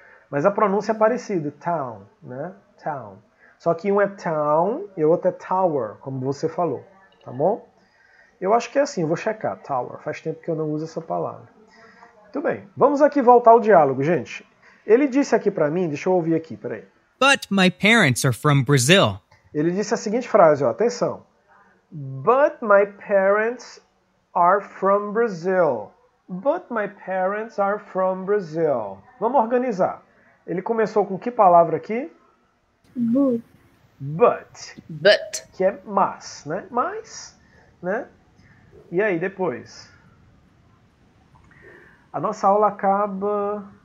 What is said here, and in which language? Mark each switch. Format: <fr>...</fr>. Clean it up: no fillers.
<pt>Mas a pronúncia é parecida, town, né? Town. Só que um é town e o outro é tower, como você falou, tá bom? Eu acho que é assim, eu vou checar, tower. Faz tempo que eu não uso essa palavra. Muito bem, vamos aqui voltar ao diálogo, gente. Ele disse aqui para mim, deixa eu ouvir aqui, peraí.</pt> <en>But my parents are from Brazil.</en> <pt>Ele disse a seguinte frase, ó, atenção.</pt> <en>But my parents are from Brazil. But my parents are from Brazil.</en> <pt>Vamos organizar. Ele começou com que palavra aqui? Boo.</pt> <en>But, But.</en> <pt>que é mas, né? Mas, né? E aí, depois? A nossa aula acaba</pt>